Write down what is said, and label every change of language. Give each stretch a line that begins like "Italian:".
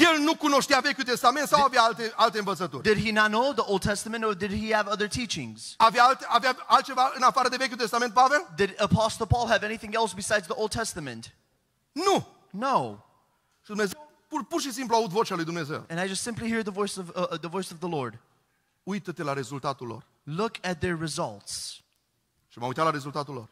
Romanian: El nu cunoștea Vechiul Testament sau avea alte învățături?
English: Did he not know the Old Testament or did he have other teachings?
Romanian: Avea altceva în afară de Vechiul Testament, Pavel?
English: Did Apostle Paul have anything else besides the Old Testament?
Romanian: Nu.
English: No.
Romanian: Și Dumnezeu, pur și simplu aud vocea lui Dumnezeu.
English: And I just simply hear the voice of the Lord.
Romanian: Uită-te la rezultatul lor.
English: Look at their results.
Romanian: Și m-am uitat la rezultatul lor.